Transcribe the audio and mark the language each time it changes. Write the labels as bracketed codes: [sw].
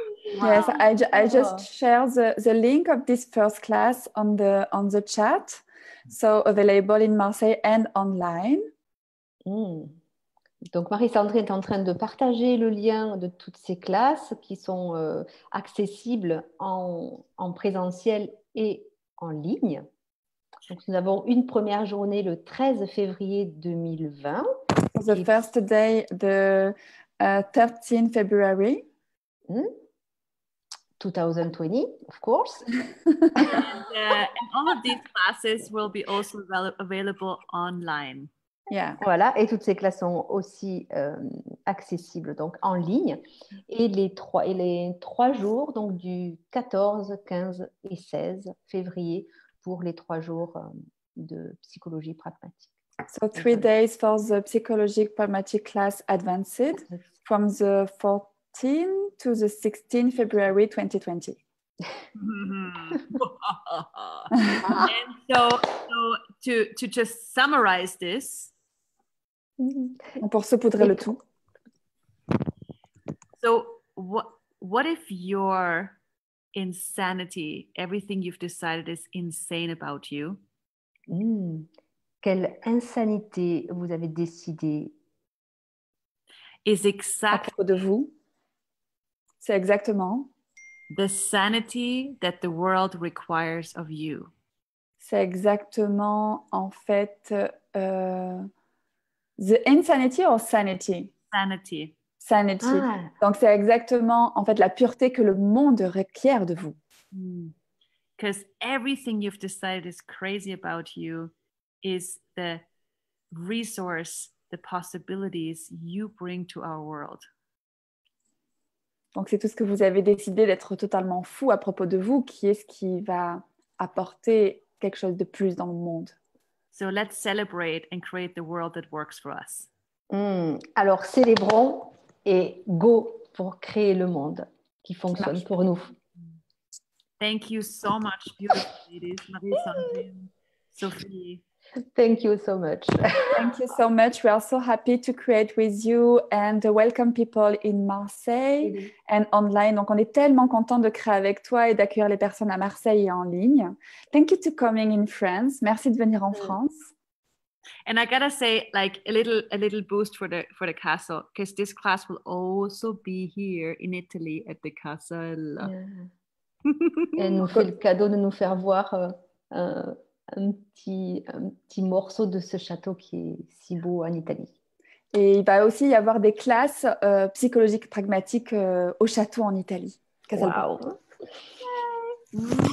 [en] Yes, I just shared the link of this first class on the chat, so available in Marseille and online. [fr] Donc Marie-Sandrine est en train de partager le lien de toutes ces classes qui sont accessibles en présentiel et en ligne. Donc nous avons une première journée le 13 février 2020. [en] The first day, the 13 February. 2020, of course. And all of these classes will be also available online. Yeah. [fr] Voilà, et toutes ces classes sont aussi accessibles donc en ligne. Et les trois jours, donc du 14, 15 et 16 février pour les 3 jours de psychologie pragmatique. [en] So 3 days for the psychologic pragmatic class advanced from the 14 to the 16 February 2020. And so to just summarize this. [fr] Pour saupoudrer le tout. [en] So what if your insanity, everything you've decided is insane about you? [fr] Quelle insanité vous avez décidé [en] is exactly [fr] à propos de vous. C'est exactement [en] the sanity that the world requires of you. [fr] C'est exactement en fait [en] the insanity or sanity? Sanity. Sanity. Ah. [fr] Donc c'est exactement en fait la pureté que le monde requiert de vous. [en] Because everything you've decided is crazy about you. Is the resource, the possibilities you bring to our world. [fr] Donc c'est tout ce que vous avez décidé d'être totalement fou à propos de vous, qui est ce qui va apporter quelque chose de plus dans le monde. [en] So let's celebrate and create the world that works for us. [fr] Alors célébrons et go pour créer le monde qui fonctionne pour nous. [en] Thank you so much, beautiful ladies, Marie-Sandrine, Sophie. Thank you so much. Thank you so much. We are so happy to create with you and welcome people in Marseille and online. [fr] Donc, on est tellement content de créer avec toi et d'accueillir les personnes à Marseille et en ligne. [en] Thank you to coming in France. [fr] Merci de venir en France. [en] And I gotta say, like a little boost for the castle, because this class will also be here in Italy at the castle. Yeah. [fr] Elle nous fait le cadeau de nous faire voir. Un petit morceau de ce château qui est si beau en Italie. Et il va aussi y avoir des classes psychologiques pragmatiques au château en Italie. [en] Wow. Yay.